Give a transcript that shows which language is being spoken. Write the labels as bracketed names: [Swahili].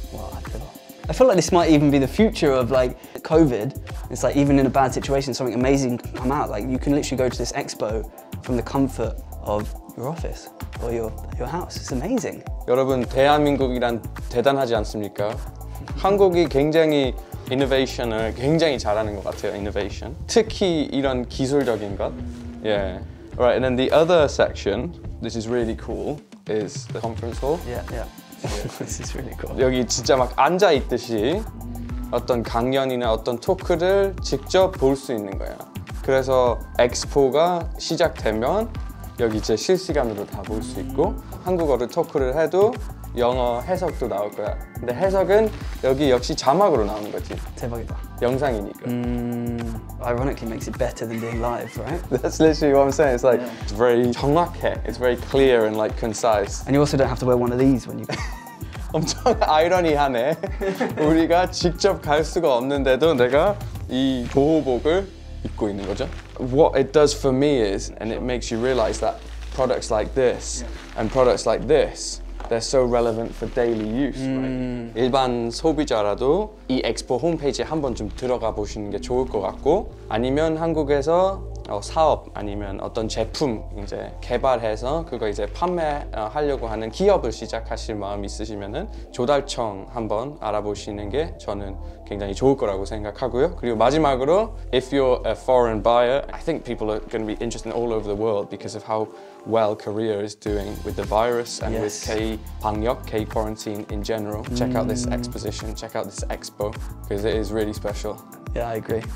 [Korean] 와, 대박. [English] I feel like this might even be the future of like COVID. It's like even in a bad situation, something amazing can come out. Like you can literally go to this expo from the comfort of your office or your house. It's amazing. [Korean] 여러분, 대한민국이란 대단하지 않습니까? 한국이 굉장히 innovation을 굉장히 잘하는 것 같아요, innovation. 특히 이런 기술적인 것. [English] Yeah. All right, and then the other section, this is really cool. Is the conference hall? Yeah. This is really cool. [Korean] 여기 진짜 막 앉아 있듯이 어떤 강연이나 어떤 토크를 직접 볼 수 있는 거야. 그래서 엑스포가 시작되면 여기 이제 실시간으로 다 볼 수 있고 한국어로 토크를 해도 영어 해석도 나올 거야. 근데 해석은 여기 역시 자막으로 나오는 거지. 대박이다. 영상이니까. [English] Ironically makes it better than being live, right? That's literally what I'm saying. It's like it's very [Korean] 정확해. [English] It's very clear and like concise. And you also don't have to wear one of these when you [Korean] 엄청 아이러니하네. 우리가 직접 갈 수가 없는데도 내가 이 보호복을 입고 있는 거죠. [English] What it does for me is and it makes you realize that products like this and products like this they're so relevant for daily use, right? [Korean] 일반 소비자라도 이 엑스포 홈페이지에 한 번 좀 들어가 보시는 게 좋을 것 같고 아니면 한국에서 사업 아니면 어떤 제품 이제 개발해서 그거 이제 판매하려고 하는 기업을 시작하실 마음 있으시면은 조달청 한번 알아보시는 게 저는 굉장히 좋을 거라고 생각하고요. 그리고 마지막으로 [English] if you're a foreign buyer, I think people are going to be interested in all over the world because of how well Korea is doing with the virus and with K-방역, K-quarantine in general. Check out this exposition, check out this expo because it is really special. Yeah, I agree.